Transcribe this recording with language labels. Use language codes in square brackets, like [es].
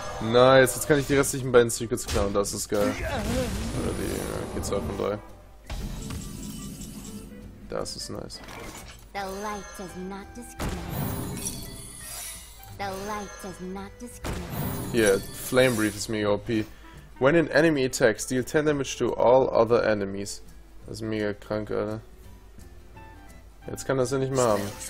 [de] Nice, jetzt kann ich die restlichen beiden Secrets klauen, das ist geil. Oder die G2 von 3. Das ist nice. [en] The light does not discriminate. The light does not discriminate. Yeah, Flame Breath is mega OP. When an enemy attacks, deal 10 damage to all other enemies. [de] Das ist mega krank, Alter. Jetzt kann das ja nicht mehr haben.